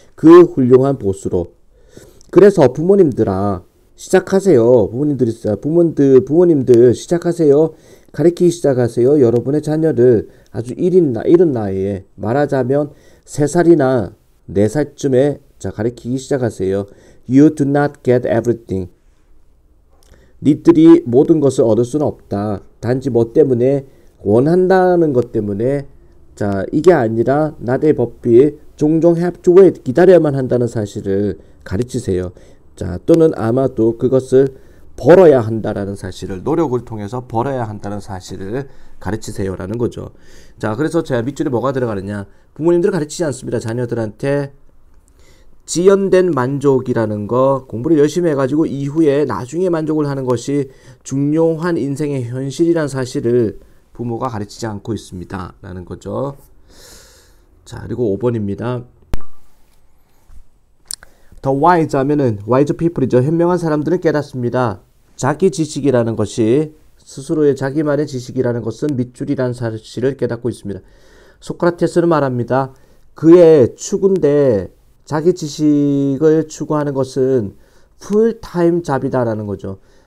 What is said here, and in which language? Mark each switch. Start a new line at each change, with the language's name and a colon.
Korean: 그 훌륭한 보스로. 그래서 부모님들아, 시작하세요. 부모님들 시작하세요. 가르치기 시작하세요. 여러분의 자녀를 아주 이른 나이에, 말하자면 3살이나 4살쯤에 자, 가르치기 시작하세요.
English: You do not get everything.
Korean: 니들이 모든 것을 얻을 수는 없다. 단지 뭐 때문에? 원한다는 것 때문에. 자, 이게 아니라
English: not a
Korean: 법이 종종
English: have to wait,
Korean: 기다려야만 한다는 사실을 가르치세요. 자, 또는 아마도 그것을 벌어야 한다라는 사실을, 노력을 통해서 벌어야 한다는 사실을 가르치세요라는 거죠. 자, 그래서 제가 밑줄에 뭐가 들어가느냐. 부모님들 가르치지 않습니다. 자녀들한테 지연된 만족이라는 거, 공부를 열심히 해가지고 이후에 나중에 만족을 하는 것이 중요한 인생의 현실이라는 사실을 부모가 가르치지 않고 있습니다라는 거죠. 자, 그리고 5번입니다.
English: The wise
Korean: 하면은
English: wise people
Korean: 이죠. 현명한 사람들은 깨닫습니다. 자기 지식이라는 것이, 스스로의 자기만의 지식이라는 것은 밑줄이라는 사실을 깨닫고 있습니다. 소크라테스는 말합니다. 그의 추구인데 자기 지식을 추구하는 것은 풀타임 잡이다라는 거죠.